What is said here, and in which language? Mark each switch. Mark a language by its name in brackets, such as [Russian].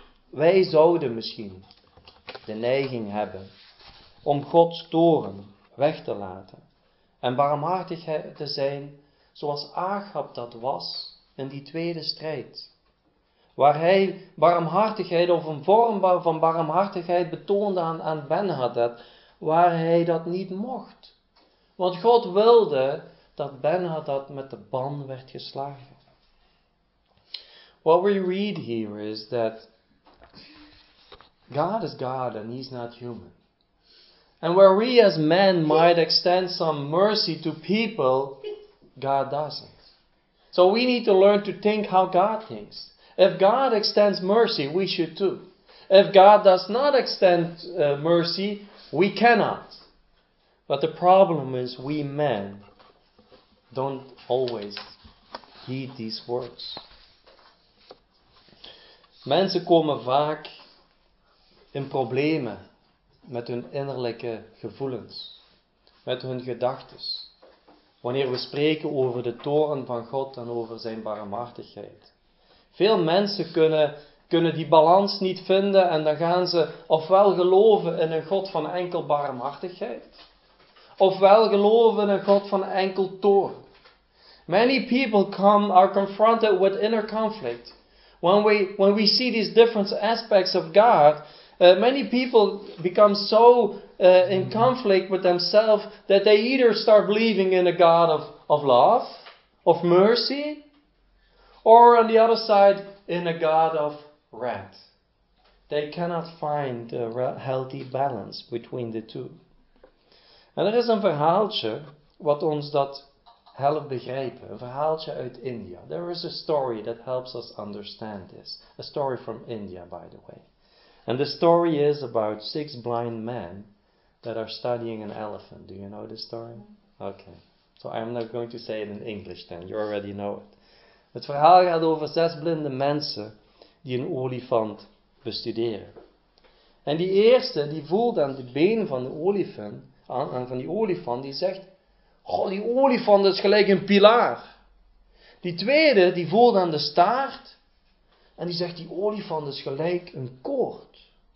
[Dutch] Wij zouden misschien de neiging hebben om Gods toorn weg te laten en barmhartig te zijn zoals Achab dat was in die tweede strijd. Waar hij barmhartigheid of een vorm van barmhartigheid betoonde aan Ben-Hadad, waar hij dat niet mocht. Want God wilde dat Ben-Hadad met de ban werd geslagen. [English] What we read here is that God is God and he's not human. And where we as men might extend some mercy to people, God doesn't. So we need to learn to think how God thinks. If God extends mercy, we should too. If God does not extend mercy, we cannot. But the problem is we men don't always heed these words. [Dutch] Mensen komen vaak in problemen met hun innerlijke gevoelens, met hun gedachtes. Wanneer we spreken over de toorn van God en over zijn barmhartigheid. Veel mensen kunnen kunnen die balans niet vinden en dan gaan ze ofwel geloven in een God van enkel barmhartigheid, ofwel geloven in een God van enkel toorn. [English] Many people are confronted with inner conflict. When we see these different aspects of God, many people become so in conflict with themselves that they either start believing in a God of love, of mercy, or on the other side, in a God of wrath. They cannot find a healthy balance between the two. En er is een verhaaltje wat ons dat helpt begrijpen. Een verhaaltje uit India. There is a story that helps us understand this. A story from India, by the way. And the story is about 6 blind men that are studying an elephant. Do you know the story? Okay. So I'm not going to say it in English then. You already know it. [Dutch] Het verhaal gaat over 6 blinde mensen die een olifant bestuderen. En die eerste, die voelt aan de been van de olifant, aan van die olifant, die zegt, goh, die olifant is gelijk een pilaar. Die tweede, die voelt aan de staart en die zegt, die olifant is gelijk een koord.